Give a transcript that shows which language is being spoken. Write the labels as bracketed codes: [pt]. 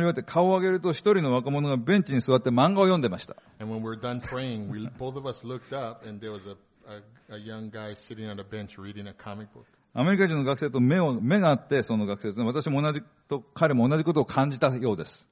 [ja] りは顔を上げると一人の若者がベンチに座って漫画を読んでました。 [en] And when we're done praying, we both of us looked up and there was a young guy sitting on a bench reading a comic book. [ja] アメリカ人の学生と目があって、その学生と私も同じと彼も同じことを感じたようです。